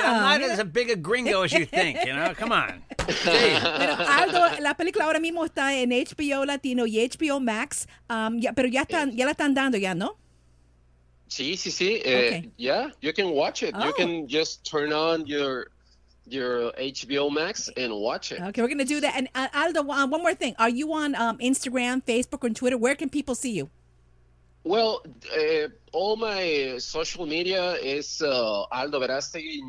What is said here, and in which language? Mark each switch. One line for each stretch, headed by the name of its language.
English: I'm not as big a gringo as you think, you know? Come on.
Spanish: Bueno, Aldo, la película ahora mismo está en HBO Latino y HBO Max, pero ya la están dando, ya, ¿no?
English: Sí. You can watch it. Oh. You can just turn on your HBO Max and watch it. Okay, we're going to do that. And Aldo, one more thing. Are you on Instagram, Facebook, and Twitter? Where can people see you? Well, all my social media is Aldo Verástegui.